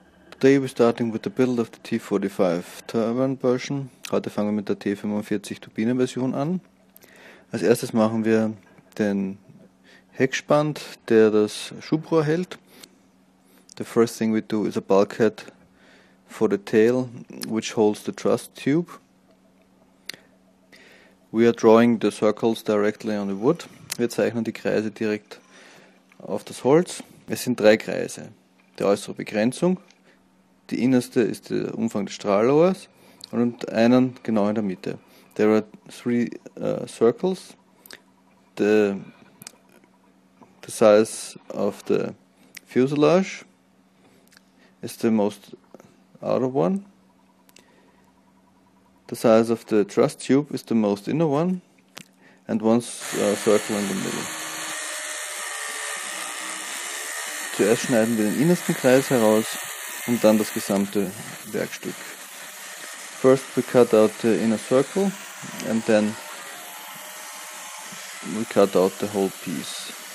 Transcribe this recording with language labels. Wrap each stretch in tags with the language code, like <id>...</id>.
<en>Today we're starting with the build of the T45 Turbine version.</en> <de>Heute fangen wir mit der T45 Turbinenversion an. Als erstes machen wir den Heckspand, der das Schubrohr hält.</de> <en>The first thing we do is a bulkhead for the tail, which holds the truss tube. We are drawing the circles directly on the wood.</en> <de>Wir zeichnen die Kreise direkt auf das Holz. Es sind drei Kreise. Die äußere Begrenzung, die innerste ist der Umfang des Strahlrohrs und einen genau in der Mitte.</de> <en>There are three circles. The size of the fuselage is the most outer one. The size of the truss tube is the most inner one. And one circle in the middle.</en> <de>Zuerst schneiden wir den innersten Kreis heraus und dann das gesamte Werkstück.</de> <en>First we cut out the inner circle and then we cut out the whole piece.</en>